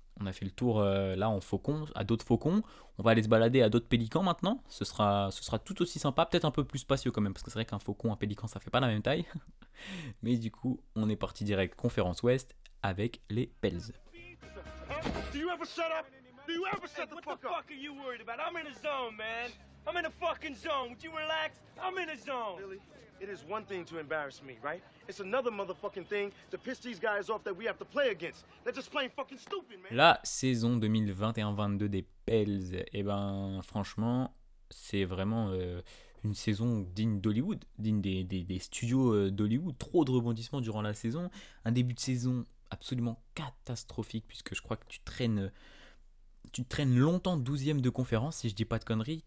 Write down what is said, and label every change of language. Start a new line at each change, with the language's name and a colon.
French: On a fait le tour là en faucon, à d'autres faucons. On va aller se balader à d'autres pélicans maintenant. Ce sera tout aussi sympa, peut-être un peu plus spacieux quand même, parce que c'est vrai qu'un faucon, un pélican, ça fait pas la même taille. Mais du coup, on est parti direct conférence ouest avec les Pels.
English: Do you ever shut up? Do you ever shut the fuck up? What the fuck are you worried about? I'm in a zone, man. I'm in a fucking zone. Would you relax? I'm in a zone. Really? It is one thing to embarrass me, right? It's another motherfucking thing to piss these guys off that we have to play against. They're just playing fucking stupid, man.
French: La saison 2021-22 des Pels, eh ben franchement, c'est vraiment une saison digne d'Hollywood, digne des studios d'Hollywood. Trop de rebondissements durant la saison. Un début de saison absolument catastrophique, puisque je crois que tu traînes longtemps 12e de conférence, si je dis pas de conneries.